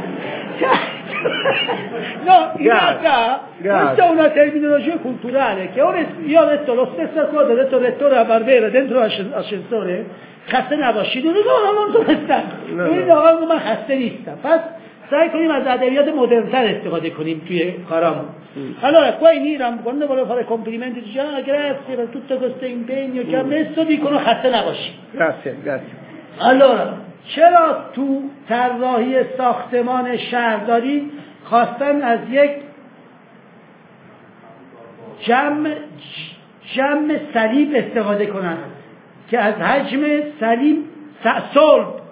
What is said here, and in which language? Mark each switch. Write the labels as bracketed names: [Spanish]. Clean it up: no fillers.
[Italian] no in realtà questa è una terminologia culturale che ora io ho detto la stessa cosa ho detto il rettore a Barbera dentro l'ascensore [Persian] خسته نباشید [Italian] no no non sono stanco no, no. No, ma [Persian] خسته نیستم پس سعی کنیم از ادبیات مدرن‌تر استفاده کنیم توی کارامون. [Italian] Allora, qua in Iran, quando volevo fare complimenti, dice, ah, grazie per tutto questo impegno che ha messo, dicono, [Persian] خسته نباشی. [Italian] Grazie, grazie. [Persian] Allora, چرا تو طراحی ساختمان شهرداری خواستن از یک جمع سلیب استفاده کنن که از حجم سلیب صلب